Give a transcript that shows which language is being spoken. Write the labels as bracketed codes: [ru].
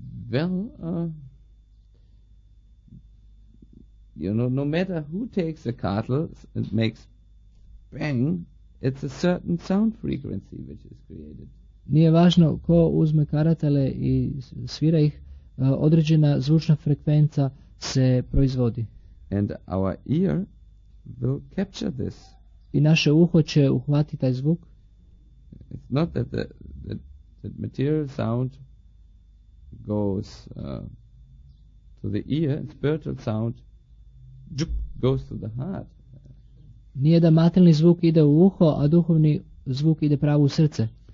[en] Well, you know, no matter who takes a cattle and makes bang, it's a certain sound frequency which is created. [hr] Nije važno ko uzme karatele i svira ih, određena zvučna frekvenca se proizvodi. [en] And our ear will capture this. [hr] I naše uho će uhvati taj zvuk. [en] It's not that the material sound goes to the ear, and spiritual sound goes to the heart. [hr] Nije da materijalni zvuk ide u uho, a duhovni zvuk ide pravo u srce.